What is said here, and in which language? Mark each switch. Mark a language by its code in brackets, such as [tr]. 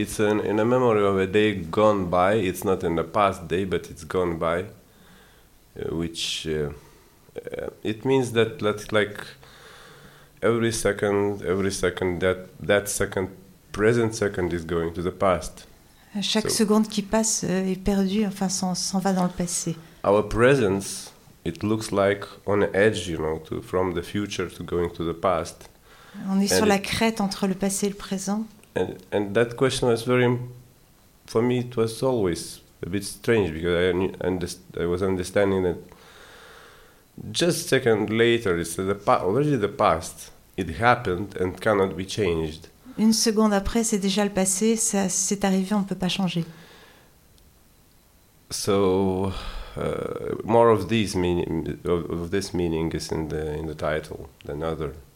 [en] It's in a memory of a day gone by. It's not in the past day, but it's gone by. Which. It means that like every second, that second, present second is going to the past. [fr] Chaque seconde qui passe est perdue, enfin, s'en va dans le passé. [en] Our presence. It looks like on the edge, you know, from the future to going to the past. [fr] On est sur la crête entre le passé et le présent. [en] And that question was very, for me, it was always a bit strange because I was understanding that just a second later, it's already the past. It happened and cannot be changed. [fr] Une seconde après, c'est déjà le passé. Ça s'est arrivé, on ne peut pas changer. [en] So. More of this meaning, of this meaning is in the title than other.